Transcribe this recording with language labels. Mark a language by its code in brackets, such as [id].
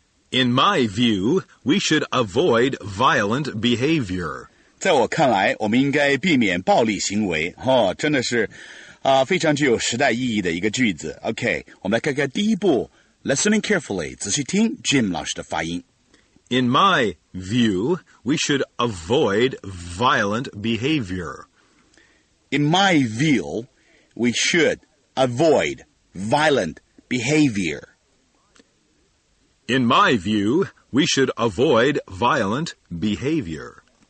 [en] In my view, we should avoid violent behavior. [zh] 在我看来，我们应该避免暴力行为。哦，真的是，非常具有时代意义的一个句子。 OK, 我们来看看第一步。 [en] Listening carefully, [zh] 仔细听 Jim 老师的发音。 [en] In my view, we should avoid violent behavior. In my view, we should avoid violent behavior. In my view, we should avoid violent behavior.